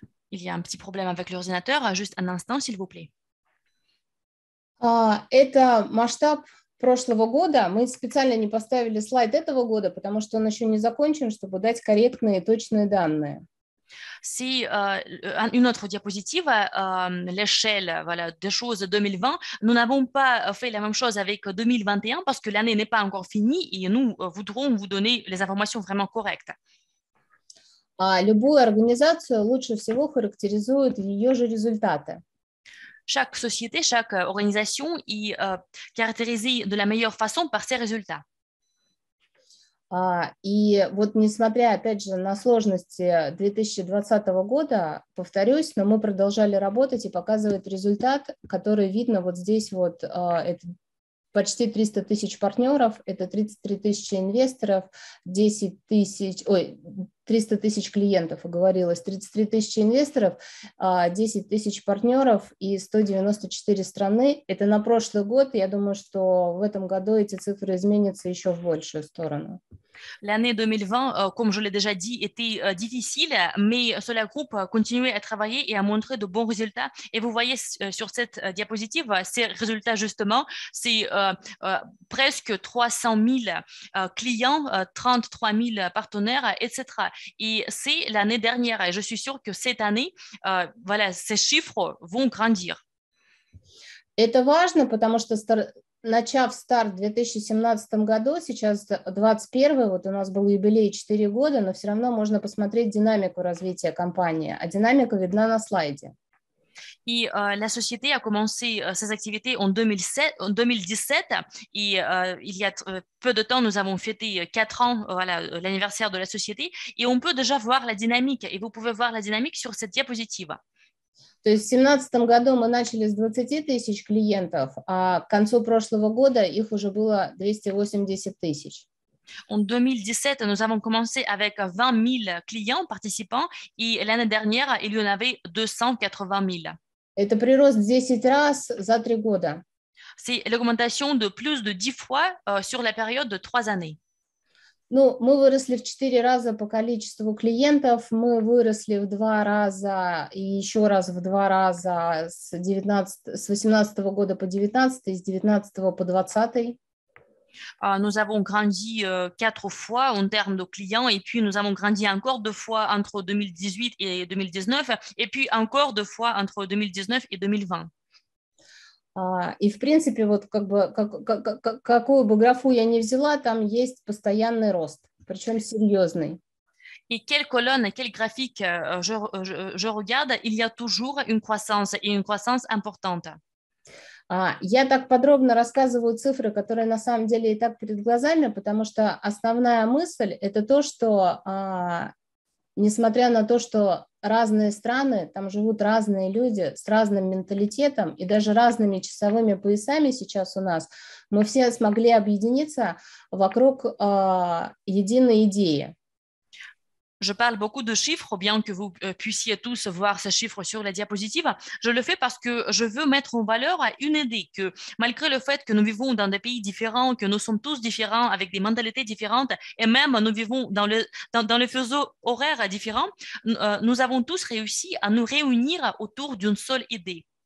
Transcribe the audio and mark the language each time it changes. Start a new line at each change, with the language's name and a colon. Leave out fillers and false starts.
French: Il y a un petit problème avec l'ordinateur, juste un instant, s'il vous plaît.
Russian: Это масштаб прошлого года. Мы специально не поставили слайд этого года, потому что он еще не закончен, чтобы дать корректные и точные данные.
French: Si une autre diapositive, l'échelle voilà, des choses 2020, nous n'avons pas fait la même chose avec 2021 parce que l'année n'est pas encore finie et nous voudrons vous donner les informations vraiment correctes.
Russian: Любую организацию лучше всего характеризуют ее же результаты.
French: Chaque société, chaque organisation est caractérisée de la meilleure façon par ses résultats.
Russian: И вот несмотря опять же на сложности 2020 года, повторюсь, но мы продолжали работать и показывать результат, который видно вот здесь вот, это почти 300 тысяч партнеров, это 33 тысячи инвесторов, 300 тысяч клиентов, оговорилось, 33 тысячи инвесторов, 10 тысяч партнеров и 194 страны. Это на прошлый год. Я думаю, что в этом году эти цифры изменятся еще в большую сторону.
French: L'année 2020, comme je l'ai déjà dit, était difficile, mais Solar Group continue à travailler et à montrer de bons résultats. Et vous voyez sur cette diapositive ces résultats justement, c'est presque 300 000 clients, 33 000 partenaires, etc. Et c'est l'année dernière. Et je suis sûre que cette année, voilà, ces chiffres vont grandir. C'est important parce que
Russian: начав старт в 2017 году, сейчас 21-й, вот у нас был юбилей 4 года, но все равно можно посмотреть динамику развития компании, а динамика видна на слайде.
French: И la société a commencé ses activités en 2017, и il y a peu de temps, nous avons fêté 4 ans, voilà, l'anniversaire de la société, et on peut déjà voir la dynamique, et vous pouvez voir la dynamique sur cette diapositive.
Russian: То есть в 2017 году мы начали с 20 тысяч клиентов, а к концу прошлого года их уже было 280 тысяч.
French: En 2017, nous avons commencé avec 20 000 clients, participants, et l'année dernière, il y en avait 280 000.
Russian: Это прирост 10 раз за 3 года.
French: C'est l'augmentation de plus de 10 fois sur la période de 3 années.
Russian: Ну, мы выросли в 4 раза по количеству клиентов, мы выросли в 2 раза и еще раз в 2 раза с 18 года по 19, с 19 по 20.
French: Nous avons grandi 4 fois en termes de clients, et puis nous avons grandi encore 2 fois entre 2018 et 2019, et puis encore 2 fois entre 2019 et 2020.
Russian: И в принципе, вот как бы какую бы графу я ни взяла, там есть постоянный рост, причем серьезный.
French: И quelle colonne, quel graphique je regarde, il y a toujours une croissance et une croissance importante.
Russian: Я так подробно рассказываю цифры, которые на самом деле и так перед глазами, потому что основная мысль это то, что несмотря на то, что разные страны, там живут разные люди с разным менталитетом и даже разными часовыми поясами сейчас у нас, мы все смогли объединиться вокруг единой идеи.
French: Je parle beaucoup de chiffres, bien que vous puissiez tous voir ces chiffres sur la diapositive. Je le fais parce que je veux mettre en valeur une idée que malgré le fait que nous vivons dans des pays différents, que nous sommes tous différents avec des mentalités différentes et même nous vivons dans le fuseau horaire différent, nous avons tous réussi à nous réunir autour d'une seule idée.